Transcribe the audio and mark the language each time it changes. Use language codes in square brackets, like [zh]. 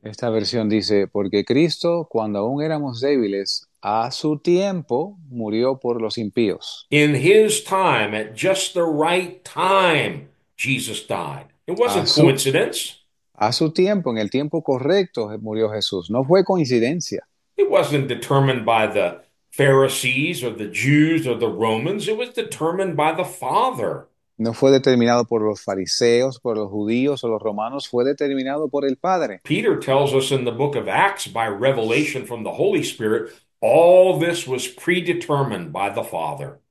[es] Esta versión dice, porque Cristo, cuando aún éramos débiles, A su tiempo murió por los impíos. [en] In his time, at just the right time, Jesus died. It [es] A [en] wasn't coincidence. [es] su tiempo, en el tiempo correcto, murió Jesús. No fue coincidencia. [en] It wasn't determined by the Pharisees or the Jews or the Romans. It was determined by the Father. [es] No fue determinado por los fariseos, por los judíos o los romanos, fue determinado por el Padre. [en] Peter tells us in the book of Acts by revelation from the Holy Spirit, all this was predetermined by the Father.